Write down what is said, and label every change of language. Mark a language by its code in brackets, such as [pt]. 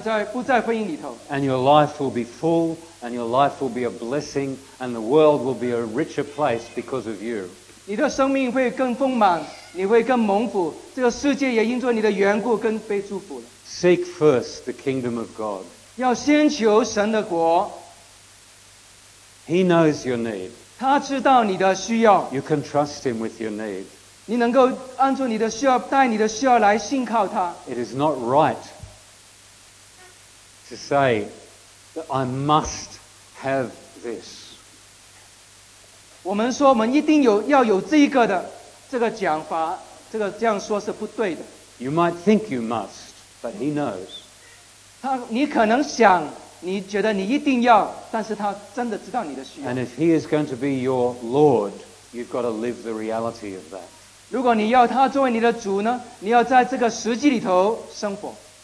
[en] And your life will be full, and your life will be a blessing, and the world will be a richer place because of you. [zh] 你的生命会更丰满, 你会更蒙福, 这个世界也因着你的缘故更被祝福了。 [en] Seek first the kingdom of God. [zh] 要先求神的国。 [en] He knows your need. [zh] 他知道你的需要。 [en] You can trust him with your need. [zh] 你能够按住你的需要, 带你的需要来信靠他。 [en] It is not right to say that I must have this. [zh] 我们说我们一定有要有这个的, 这个讲法, 这个这样说是不对的。 [en] You might think you must, but he knows. [zh] 他, 你可能想, 你觉得你一定要, 但是他真的知道你的需要。 [en] And if he is going to be your Lord, you've got to live the reality of that. [zh] 如果你要他作为你的主呢, 你要在这个实际里头生活。